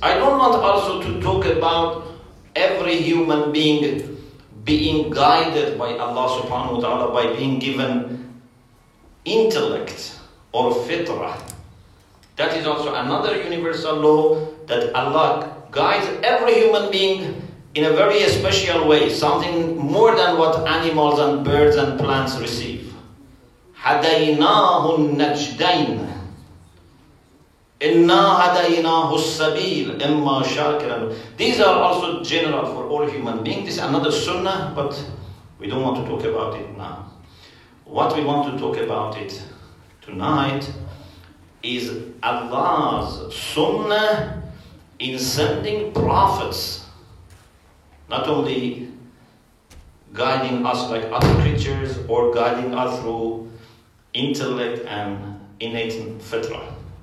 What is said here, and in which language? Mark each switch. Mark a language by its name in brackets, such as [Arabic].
[English] I don't want also to talk about every human being being guided by Allah subhanahu wa ta'ala by being given intellect or fitrah. That is also another universal law that Allah guides every human being in a very special way, something more than what animals and birds and plants receive. Hadaynahun najdain. [Arabic] إِنَّا هَدَيْنَاهُ السَّبِيلِ إِمَّا شَاكِرًا. [English] These are also general for all human beings. This is another sunnah, but we don't want to talk about it now. What we want to talk about it tonight is Allah's sunnah in sending prophets, not only guiding us like other creatures or guiding us through intellect and innate fitrah.